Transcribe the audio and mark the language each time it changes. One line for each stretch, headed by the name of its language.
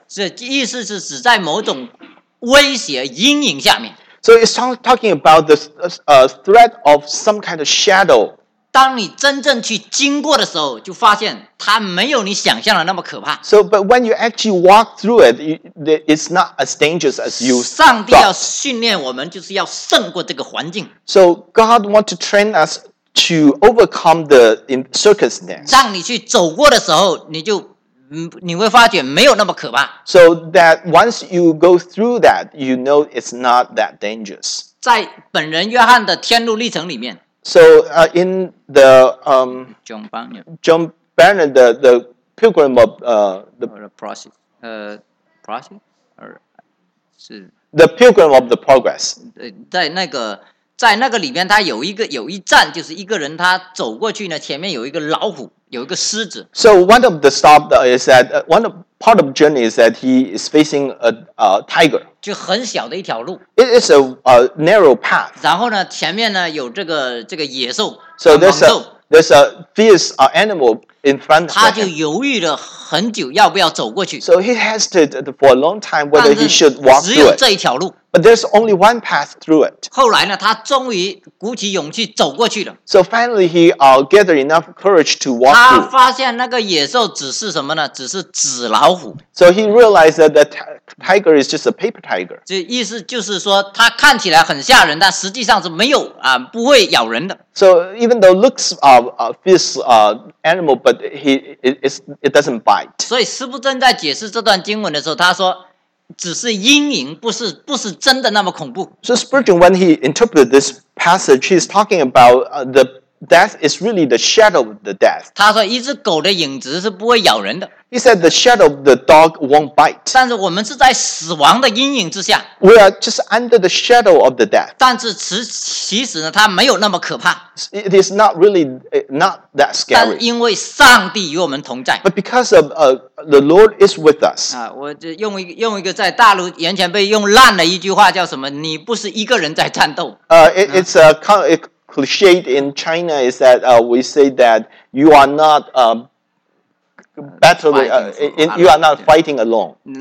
Chinese: 这意思是指在某种威胁阴影下面。
English: So it's talking about the threat of some kind of shadow.
Chinese: 当你真正去经过的时候，就发现它没有你想象的那么可怕。
English: So, but when you actually walk through it, it's not as dangerous as you thought.
Chinese: 上帝要训练我们，就是要胜过这个环境。
English: So God wants to train us. To overcome the circumstance,
Chinese: 让你去走过的时候，你就你会发觉没有那么可怕。
English: So that once you go through that, you know it's not that dangerous.
Chinese: 在本人约翰的天路历程里面
English: ，So in the John Bunyan, John Bunyan the pilgrim of the process, process or 是 the pilgrim of the progress.
Chinese: 在那个。在那个里面，他有一个有一站，就是一个人他走过去呢，前面有一个老虎，有一个狮子。
English: So one of the stop is that one of, part of journey is that he is facing a tiger.
Chinese: 就很小的一条路。
English: It is a narrow path.
Chinese: 然后呢，前面呢有这个野兽。
English: So there's a fierce animal in front.
Chinese: 他就犹豫了很久，要不要走过去。
English: So he hesitated for a long time whether he should walk through it.
Chinese: 只有这一条路。
English: But there's only one path through it.
Chinese: 后来呢，他终于鼓起勇气走过去了。
English: So finally, he gathered enough courage to walk through.
Chinese: 他发现那个野兽只是什么呢？只是纸老虎。
English: So he realized that the tiger is just a paper tiger.
Chinese: 这意思就是说，它看起来很吓人，但实际上是没有不会咬人的。
English: So even though it looks fierce animal, but it doesn't bite.
Chinese: 所以司布真在解释这段经文的时候，他说。只是阴影，不是真的那么恐怖。
English: So Spurgeon, when he interpreted this passage, he's talking about the death is really the shadow of the death.
Chinese: 他说一只狗的影子是不会咬人的。
English: He said the shadow of the dog won't bite.
Chinese: 但是我们是在死亡的阴影之下。
English: We are just under the shadow of the death.
Chinese: 但是其实呢，它没有那么可怕。
English: It is not really not that scary.
Chinese: 但因为上帝与我们同在。
English: But because of the Lord is with us.
Chinese: 我就用一个在大陆眼前被用烂的一句话叫什么？你不是一个人在战斗。
English: It's a kind of cliché in China is that we say that you are not battle, you are not fighting alone.